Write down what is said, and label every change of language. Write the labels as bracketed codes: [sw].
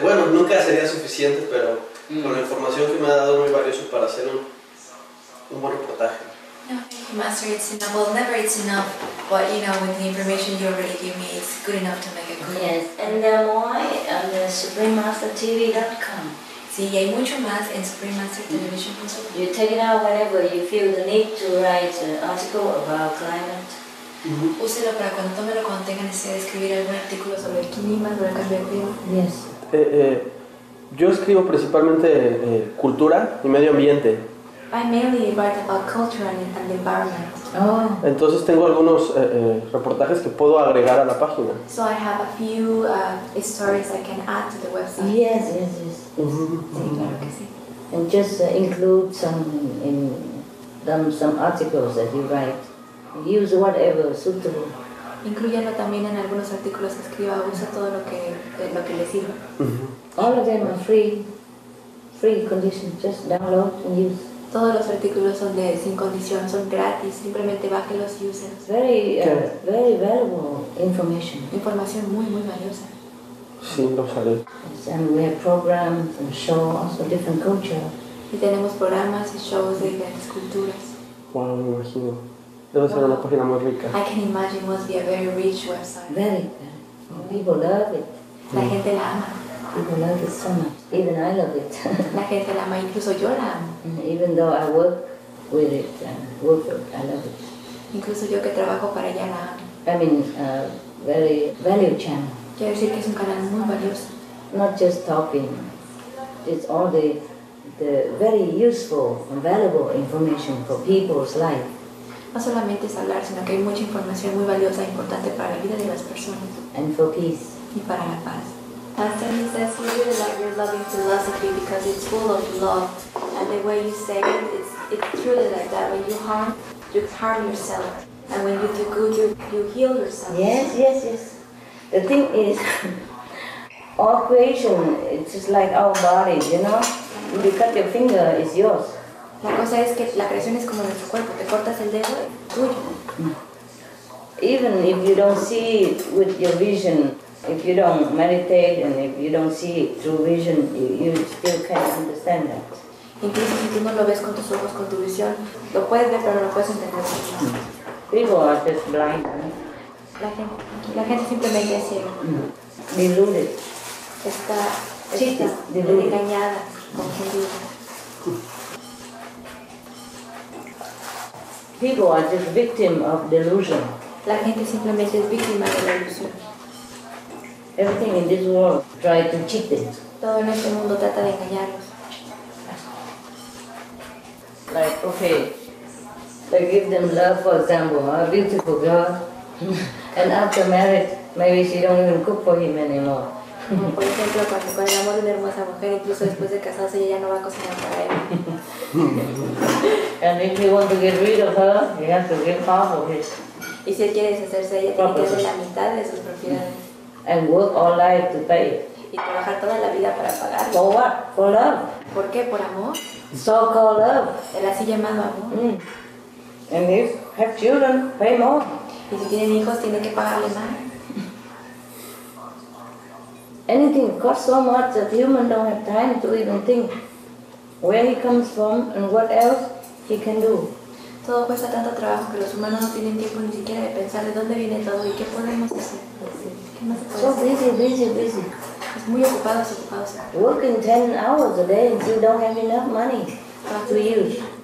[es] Bueno, nunca sería suficiente, pero con la información que me ha dado, muy valioso para hacer un buen reportaje. [en] Okay, Master, it's enough. Well, never it's enough, but you know, with the information you already gave me, it's good enough to make a good. Yes, and there are more on the SupremeMasterTV.com. [es] Sí, y hay mucho más en SupremeMasterTelevision.com. [en] You take it out whenever you feel the need to write an article about climate. [es] Úselo para cuando tómelo, cuando tenga necesidad de escribir algún artículo sobre el clima, sobre el cambio de clima. [en] Yes. [es] Yo escribo principalmente cultura y medio ambiente. [en] I mainly write about culture and the environment. Oh. [es] Entonces tengo algunos reportajes que puedo agregar a la página. [en] So I have a few stories I can add to the website. Yes, yes, yes. And just include some articles that you write. Use whatever suitable. [es] Incluyendo también en algunos artículos que escriba, usa todo lo que le sirva. [en] All of them are free condition. Just download and use. [es] Todos los artículos son de sin condición, son gratis, simplemente bájelos y úsenlos. [en] Very, very valuable information. [es] Información muy, muy valiosa. Sí, lo sabré. [en] And we have programs and shows, also different cultures. [es] Y tenemos programas y shows de diferentes culturas. Wow, me imagino. Debe ser una página muy rica. [en] I can imagine it must be a very rich website. Very, very. People love it. [es] La gente la ama. [en] People love it so much. Even I love it. [es] La gente la ama, incluso yo la amo. [en] Even though I work with it, I love it. [es] Incluso yo que trabajo para ella la amo. [en] I mean, a very valuable channel. [es] Quiero decir que es un canal muy valioso. [en] Not just talking. It's all the very useful and valuable information for people's life. [es] No solamente es hablar, sino que hay mucha información muy valiosa e importante para la vida de las personas. [en] And for peace. [es] Y para la paz. [en] Master, he says he really loves your loving philosophy because it's full of love. And the way you say it, it's truly like that. When you harm yourself. And when you do good, you heal yourself. Yes, yes, yes. The thing is, all creation, it's just like our body, you know? If you cut your finger, it's yours. [es] La cosa es que la creación es como nuestro cuerpo. Te cortas el dedo, es tuyo. [en] Even if you don't see it with your vision, if you don't meditate and if you don't see it through vision, you still can't understand that. [es] Incluso si tú no lo ves con tus ojos, con tu visión, lo puedes ver, pero no lo puedes entender. [en] People are just blind, right? [es] La gente simplemente es ciega. [en] Deluded. [es] Está chita, [en] deluded. [es] Engañada, confundida. [en] People are just victims of delusion. [es] La gente simplemente es víctima de la ilusión. [en] Everything in this world tries to cheat them. [es] Todo en este mundo trata de engañarlos. [en] Like, okay, they give them love, for example, a beautiful girl. And after marriage, maybe she don't even cook for him anymore. [es] Por ejemplo, cuando el amor de una hermosa mujer, incluso después de casarse, ella no va a cocinar para él. [en] And if he wants to get rid of her, he has to give half of his. [es] Y si él quiere deshacerse de ella, tiene que darle la mitad de sus propiedades. [en] And work all life to pay. [es] Y trabajar toda la vida para pagar. [en] For what? For love. [es] ¿Por qué? ¿Por amor? [en] So-called love. [es] El así llamado amor. [en] And if you have children, pay more. [es] Y si tienen hijos, tienen que pagarles más. [en] Anything costs so much that human don't have time to even think where he comes from and what else he can do. [es] Todo cuesta tanto trabajo que los humanos no tienen tiempo ni siquiera de pensar de dónde viene todo y qué podemos hacer. [en] So busy. [es] Es muy ocupados. [en] Working 10 hours a day and you don't have enough money to use.